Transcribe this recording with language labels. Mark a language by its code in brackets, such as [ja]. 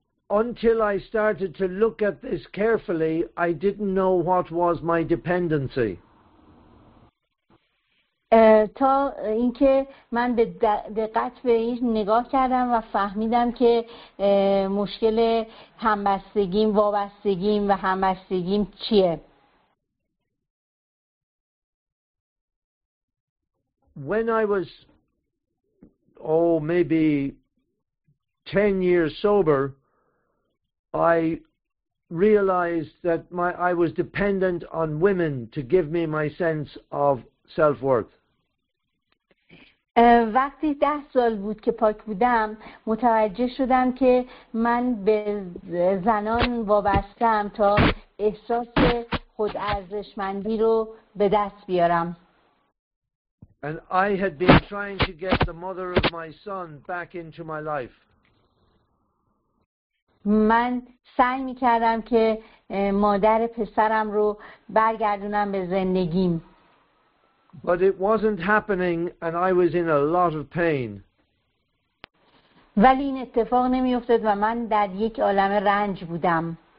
[en] Until I started to look at this carefully, I didn't know what was my dependency. [fa] تا اینکه من به دقت به این نگاه کردم و فهمیدم که مشکل همبستگیم، وابستگیم و همبستگیم چیه. [en] When I was, maybe 10 years sober, I realized that I was dependent on women to give me my sense of self-worth. [fa] وقتی 10 سال بود که پاک بودم متوجه شدم که من به زنان وابستم تا احساس خود ارزشمندی رو به دست بیارم. [en] And I had been trying to get the mother of my son back into my life. [fa] من سعی می‌کردم که مادر پسرم رو برگردونم به زندگیم. [en] But it wasn't happening and I was in a lot of pain. [fa] ولی این اتفاق نمی‌افتاد و من در یک عالم رنج بودم.